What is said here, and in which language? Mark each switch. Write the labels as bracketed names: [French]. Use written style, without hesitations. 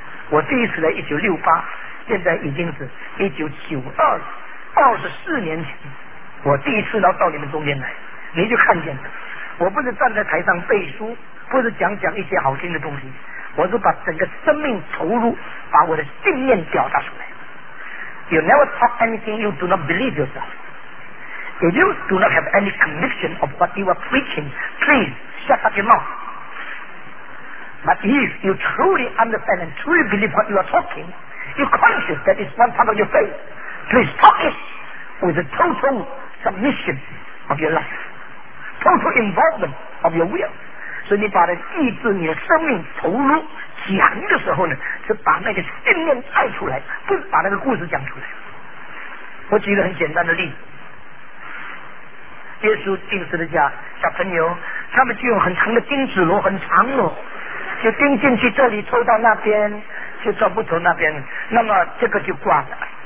[Chinese] 我第一次来1968，现在已经是1992，24年前，我第一次到你们中间来，你就看见了。我不是站在台上背书，不是讲一些好听的东西，我是把整个生命投入，把我的信念表达出来。 [English] You never talk anything you do not believe yourself. If you do not have any conviction of what you are preaching, please shut up your mouth. But if you truly understand and truly believe what you are talking, you're conscious that it's one part of your faith, please talk it with a total submission of your life, total involvement of your will. [Chinese] 所以你把意志你的生命投入讲的时候呢，是把那个信念带出来，不是把那个故事讲出来。我举一个很简单的例子，耶稣钉十字架，小朋友他们就用很长的钉子螺，很长螺，就钉进去，这里抽到那边，就抓不抽那边，那么这个就挂了。